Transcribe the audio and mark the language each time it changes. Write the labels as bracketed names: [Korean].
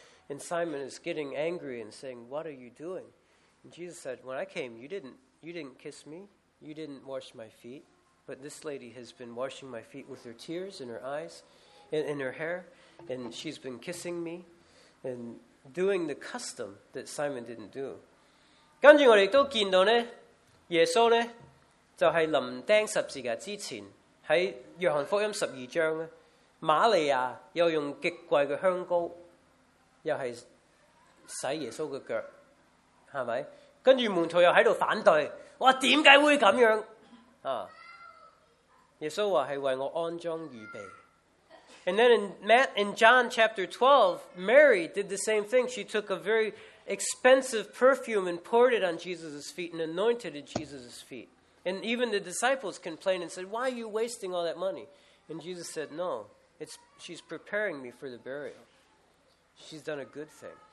[English] And Simon is getting angry and saying, what are you doing? And Jesus said, when I came, you didn't kiss me. You didn't wash my feet. But this lady has been washing my feet with her tears in her eyes, in her hair. And she's been kissing me and doing the custom that Simon didn't do. [Cantonese] 跟住我哋都见到呢，耶稣呢，就是临钉十字架之前，在約翰福音十二章，瑪利亞又用極貴的香膏，又是洗耶穌的腳，是不是？跟住門徒又在反對，哇，點解會咁樣？耶穌話是為我安裝預備。 [English] And then in John chapter 12, Mary did the same thing. She took a very expensive perfume and poured it on Jesus' feet and anointed Jesus' feet. And even the disciples complained and said, why are you wasting all that money? And Jesus said, no, she's preparing me for the burial. She's done a good thing.